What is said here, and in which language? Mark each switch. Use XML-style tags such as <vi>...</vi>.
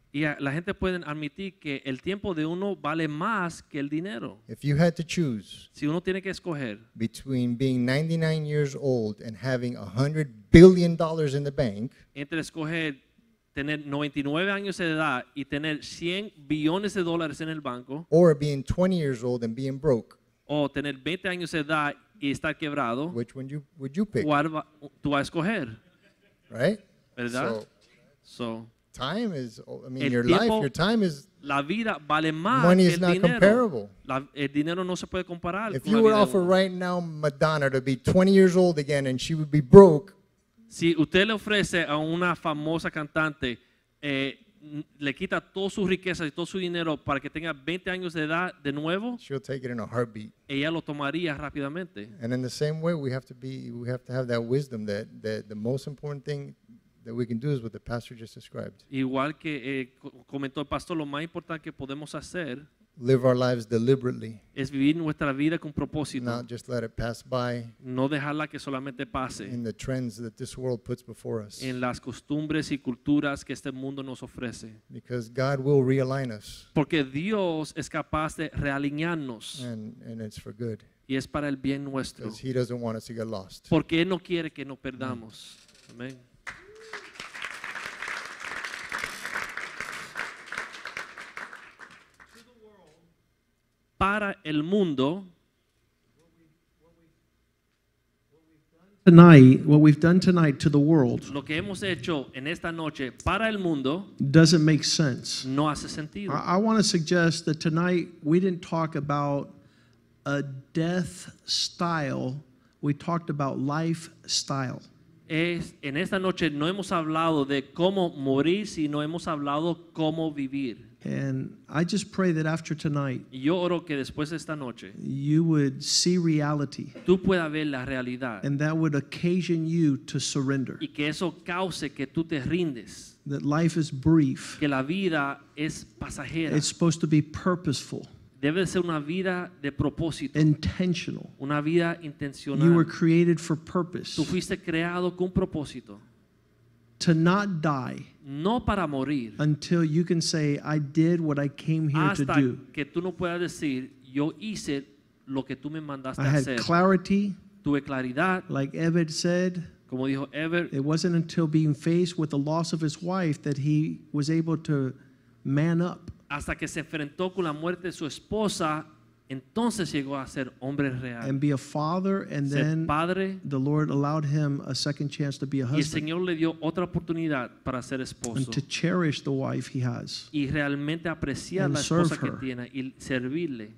<es>Y la gente puede admitir que el tiempo de uno vale más que el dinero.</es> <en>If you had to choose,</en> <es>si uno tiene que escoger,</es> <en>between being 99 years old and having $100 billion in the bank,</en> <es>entre escoger tener 99 años de edad y tener 100 billones de dólares en el banco,</es> <en>or being 20 years old and being broke,</en> <es>o tener 20 años de edad y estar quebrado,</es> <en>which one would you pick?</en> <es>¿Cuál tú vas a escoger?</es> <en>Right?</en> <es>¿Verdad? So</es> <en>time is, I mean, your life, your time is,</en> <es>la vida vale más,</es> <en>money is</en> <es>el</es> <en>not</en> <es>dinero.</es> <en>Comparable.</en> <es>El dinero no se puede comparar.</es> <en>If you were offered right now Madonna to be 20 years old again and she would be broke,</en> <es>si usted le ofrece a una famosa cantante, le quita todas sus riquezas y todo su dinero para que tenga 20 años de edad de nuevo,</es> <en>she'll take it in a heartbeat.</en> <es>Ella lo tomaría rápidamente.</es> <en>And in the same way, we have to have that wisdom that the most important thing that we can do is what the pastor just described.</en> <es>Igual que comentó el pastor, lo más importante que podemos hacer,</es> <en>live our lives deliberately.</en> <es>Es vivir nuestra vida con propósito.</es> <en>Not just let it pass by.</en> <es>No dejarla que solamente pase.</es> <en>In the trends that this world puts before us.</en> <es>En las costumbres y culturas que este mundo nos ofrece.</es> <en>Because God will realign us.</en> <es>Porque Dios es capaz de realinearnos.</es> <en>And it's for good.</en> <es>Y es para el bien nuestro.</es> <en>Because he doesn't want us to get lost.</en> <es>Porque él no quiere que nos perdamos. Amén. Para el mundo,</es> <en>what we've done tonight to the world,</en> <es>lo que hemos hecho en esta noche para el mundo,</es> <en>doesn't make sense.</en> <es>No hace sentido.</es> <en>I want to suggest that tonight we didn't talk about a death style, we talked about lifestyle.</en> <es>En esta noche no hemos hablado de cómo morir, sino hemos hablado cómo vivir.</es> <en>And I just pray that after tonight,</en> <es>yo oro que después de esta noche,</es> <en>you would see reality.</en> <es>Tú puedas ver la realidad.</es> <en>And that would occasion you to surrender.</en> <es>Y que eso cause que tú te rindes.</es> <en>That life is brief.</en> <es>Que la vida es pasajera.</es> <en>It's supposed to be purposeful.</en> <es>Debe ser una vida de propósito.</es> <en>Intentional.</en> <es>Una vida intencional.</es> <en>You were created for purpose.</en> <es>Tú fuiste creado con propósito.</es> <en>To not die.</en> <es>No para morir.</es> <en>Until you can say, I did what I came here</en> <es>hasta</es> <en>to do.</en> <es>Que tú no puedas decir, yo hice lo que tú me mandaste</es> <en>I</en> <es>hacer.</es> <en>Had clarity.</en> <es>Tuve claridad.</es> <en>Like Evan said.</en> <es>Como dijo Evan,</es> <en>it wasn't until being faced with the loss of his wife that he was able to man up.</en> <es>Hasta que se enfrentó con la muerte de su esposa, entonces llegó a ser hombre real.</es> <en>And be a father, and</en> <es>ser</es> <en>then</en> <es>padre,</es> <en>the Lord allowed him a second chance to be a husband.</en> <es>Y el Señor le dio otra oportunidad para ser esposo.</es> <en>And to cherish the wife he has.</en> <es>Y realmente apreciar la esposa que tiene y servirle.</es>